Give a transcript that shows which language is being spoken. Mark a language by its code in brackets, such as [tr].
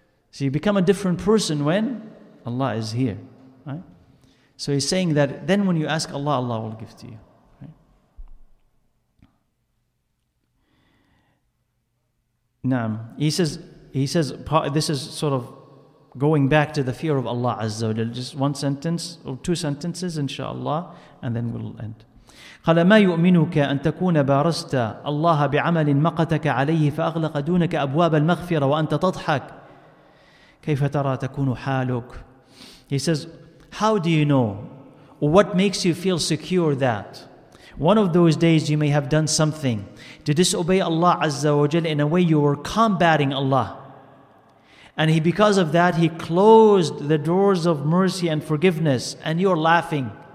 [en] So you become a different person when Allah is here. So he's saying that then when you ask Allah, Allah will give to you. Right? Naam. He says, this is sort of going back to the fear of Allah Azza wa Jalla. Just one sentence or two sentences, inshaAllah, and then we'll end. [ar] قَالَ مَا يُؤْمِنُكَ أَن تَكُونَ بَارَسْتَ اللَّهَ بِعَمَلٍ مَقَتَكَ عَلَيْهِ فَأَغْلَقَ دُونَكَ أَبْوَابَ الْمَغْفِرَةِ وَأَنْتَ تَضْحَكَ كَيْفَ تَرَى تَكُونُ حَالُكَ. [en] He says, how do you know? What makes you feel secure that one of those days you may have done something to disobey Allah Azza wa Jal in a way you were combating Allah. And because of that, He closed the doors of mercy and forgiveness and you're laughing.